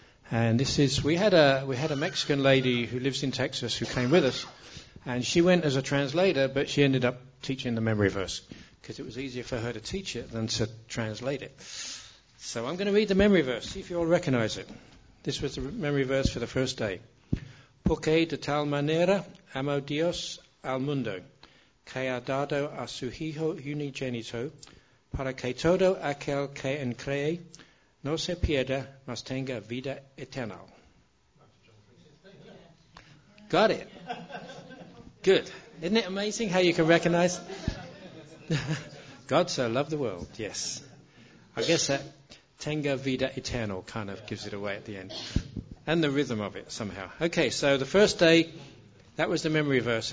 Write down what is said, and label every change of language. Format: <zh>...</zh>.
<en>And this is, we had a Mexican lady who lives in Texas who came with us. And she went as a translator, but she ended up teaching the memory verse, because it was easier for her to teach it than to translate it. So I'm going to read the memory verse, see if you all recognize it. This was the memory verse for the first day.</en> <es>Porque de tal manera amó Dios al mundo, que ha dado a su hijo unigénito, para que todo aquel que en cree no se pierda, mas tenga vida eterna.</es> <en>Got it. Good. Isn't it amazing how you can recognize? God so loved the world, yes. I guess that</en> <es>tenga vida eternal</es> <en>kind of gives it away at the end. And the rhythm of it somehow. Okay, so the first day, that was the memory verse.</en>